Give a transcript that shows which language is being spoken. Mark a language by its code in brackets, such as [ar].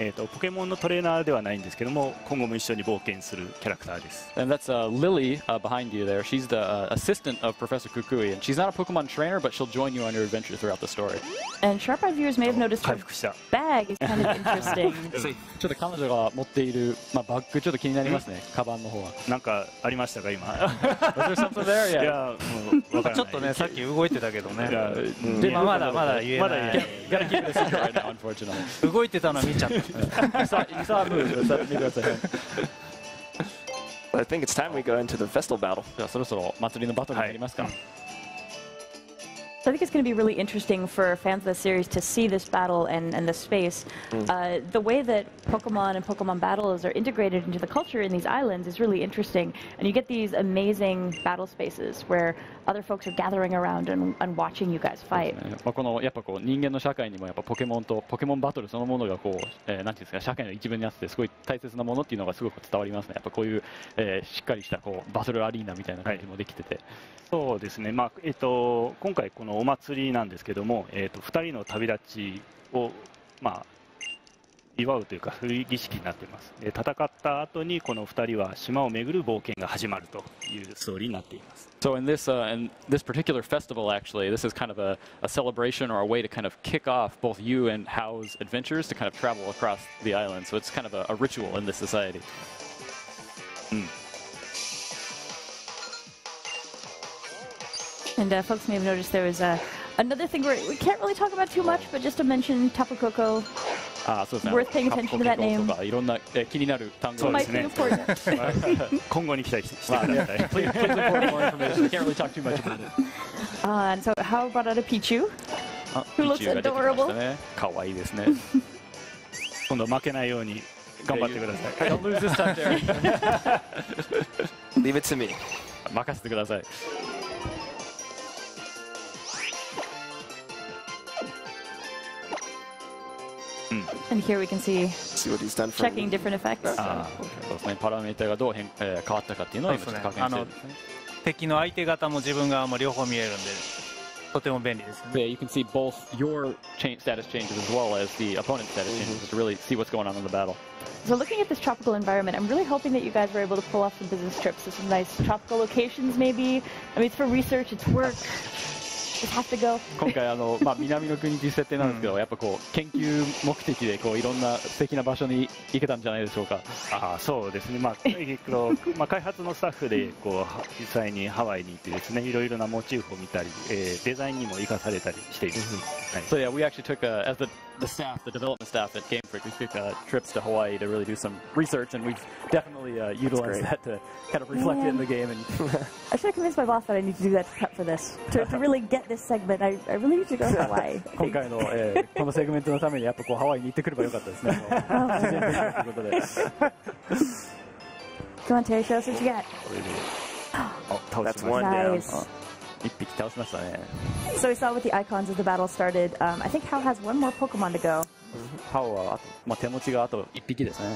[ja] ポケモンのトレーナーではないんですけども、今後も一緒に冒険するキャラクターです。 [en] And that's Lily behind you there. She's the assistant of Professor Kukui, and she's not a Pokemon trainer, but she'll join you on your adventure throughout the story. And sharp-eyed viewers may have noticed her bag is kind of interesting. [ja] ちょっと彼女が持っている、まあ、バッグちょっと気になりますね。カバンの方は。なんかありましたか今。 [en] Was there something there? [ja] いや、ちょっとね、さっき動いてたけどね。でもまだ言えない。まだ言えない。 [en] Gotta keep this secret right now, unfortunately. [ja] 動いてたの見ちゃった。リサーブ見てください。 [en] I think it's time we go into the festival battle. [ja] じゃあそろそろ祭りのバトルになりますか。 [en] So I think it's going to be really interesting for fans of the series to see this battle and the space. The way that Pokemon and Pokemon battles are integrated into the culture in these islands is really interesting. And you get these amazing battle spaces where other folks are gathering around and watching you guys fight. [ja] まあこのやっぱこう人間の社会にもやっぱポケモンとポケモンバトルそのものがこう、なんていうんですか社会の一部にあってすごい大切なものっていうのがすごく伝わりますね。やっぱこういう、しっかりしたこうバトルアリーナみたいな感じもできてて。はい、そうですね。まあ今回このお祭りなんですけども、2人の旅立ちを、まあ、祝うというか、そういう儀式になっています。で、戦った後にこの2人は島を巡る冒険が始まるというストーリーになっています。 [en] So in this particular festival actually, this is kind of a celebration or a way to kind of kick off both you and Hao's adventures to kind of travel across the island. So it's kind of a ritual in this society. And folks may have noticed there was another thing we can't really talk about too much, but just to mention Tapu Koko. Ah, so it's worth paying attention to that name. [ja] いろんな気になる単語ですね。今後に期待してください。 [en] Please report more information. Can't really talk too much about it. And so, how about a Pichu? Who looks adorable? [ja] かわいいですね。今度負けないように頑張ってください。 [en] Don't lose this time, Jerry. Leave it to me. [ja] 任せてください。 [en] And here we can see, what he's done checking different effects. [ja] そうですね。パラメーターがどう変変わったかっていうのを今ちょっと確認してるんですね。敵の相手方も自分側も両方見えるんで、とても便利ですね。 [en] Yeah, you can see both your status changes as well as the opponent's status changes to really see what's going on in the battle. So looking at this tropical environment, I'm really hoping that you guys were able to pull off some business trips to some nice tropical locations, maybe. I mean, it's for research, it's work. [ja] 今回まあ、南の国という設定なんですけど、やっぱこう研究目的でこういろんな素敵な場所に行けたんじゃないでしょうか。あ、そうですね、まあまあ、開発のスタッフでこう実際にハワイに行ってですね、いろいろなモチーフを見たり、デザインにも生かされたりしています。 [en] はい、so yeah, we actually took as the staff, the development staff at Game Freak, we took trips to Hawaii to really do some research, and we've definitely utilized that to kind of reflect it in the game. And I should have convinced my boss that I need to do that to prep for this, to really get this segment. I really need to go to Hawaii. [ja] 今回の、このセグメントのためにやっぱこうハワイに行ってくればよかったですね。 [en] Come on, Terry, show us what you got. Oh, that's one down. [ja] 1匹倒しましたね。 [en] So we saw with the icons as the battle started. I think Hao has one more Pokemon to go. [ja] Hao はあと、まあ、手持ちがあと1匹ですね。